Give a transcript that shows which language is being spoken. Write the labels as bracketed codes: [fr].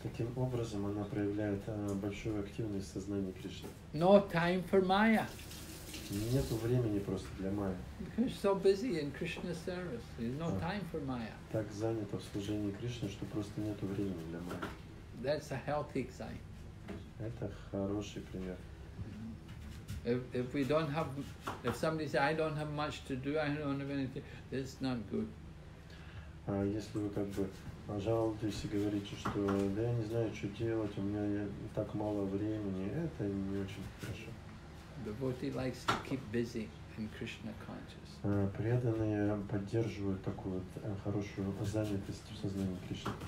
[ru] Таким образом, она проявляет большую активность в сознании Кришны. [en] No time for Maya. [ru] Нету времени просто для Майи. [en] She's so busy in Krishna's service. There's no time for Maya. [ru] Так занята в служении Кришны, что просто нету времени для Майи. [en] That's a healthy sign. [ru] Это хороший пример. [en] If we don't have, if somebody says, I don't have much to do, I don't have anything, that's not good. [ru] Если вы как бы жалуетесь и говорите, что да, я не знаю, что делать, у меня так мало времени, это не очень хорошо. [en] Devotee likes to keep busy in Krishna consciousness. [ru] Преданные поддерживают такую вот хорошую занятость в сознании Кришны.